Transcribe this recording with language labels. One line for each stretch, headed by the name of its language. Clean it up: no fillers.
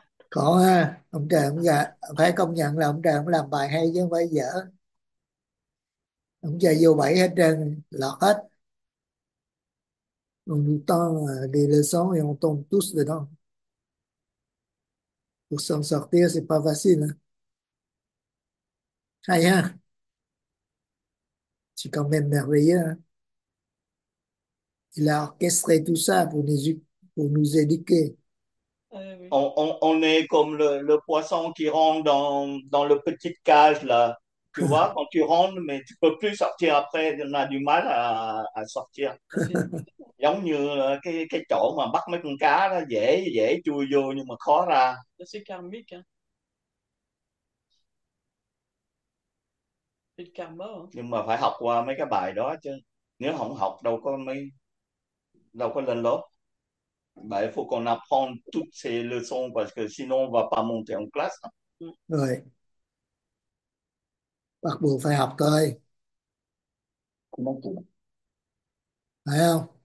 Vietnamese: có ha, ông trời ông già phải công nhận là ông trời ông làm bài hay chứ không phải dở. Ông trời vô bảy hết trơn, lọt hết.
French: On entend des leçons et on tombe tous dedans. Pour s'en sortir, c'est pas facile.
Vietnamese: Hay ha.
French: C'est quand même merveilleux. Hein? Il a orchestré tout ça pour nous éduquer. Oui. On est comme le poisson qui rentre dans le petite cage là. Tu vois, quand tu rentres, mais tu peux plus sortir après, on a du mal à sortir. Effectivement.
Vietnamese: Giống như cái chỗ mà bắt mấy con cá đó dễ dễ chui vô nhưng mà khó ra.
French: C'est karmique, hein. C'est le karma,
Vietnamese: Nhưng mà phải học qua mấy cái bài đó chứ. Nếu không học đâu có lên lớp.
French: Bah, il faut qu'on apprenne toutes ces leçons parce que sinon on ne va pas monter en classe. ouais.
Vietnamese: Bắt buộc phải học thôi.
French: Comment tu...
Vietnamese: Phải không?